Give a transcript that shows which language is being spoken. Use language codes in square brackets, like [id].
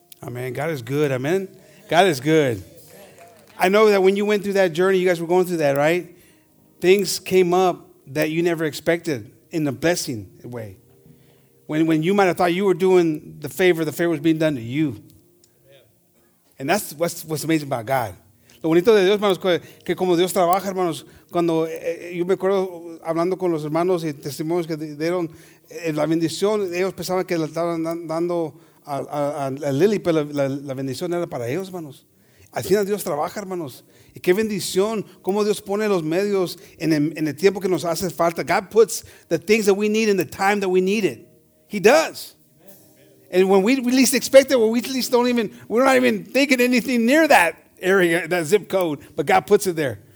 [en] Amen. God is good. Amen. God is good. I know that when you went through that journey, you guys were going through that, right? Things came up that you never expected in a blessing way. When you might have thought you were doing the favor was being done to you. And that's what's amazing about God. [es] Lo bonito de Dios, hermanos, que como Dios trabaja, hermanos, cuando yo me acuerdo hablando con los hermanos y testimonios que dieron la bendición, ellos pensaban que la estaban dando a Lily, pero la bendición era para ellos, hermanos. Al final Dios trabaja, hermanos. Y qué bendición, cómo Dios pone los medios en el tiempo que nos hace falta. [en] God puts the things that we need in the time that we need it. He does. And when we least expect it, when we least don't even, we're not even thinking anything near that area, that zip code, but God puts it there.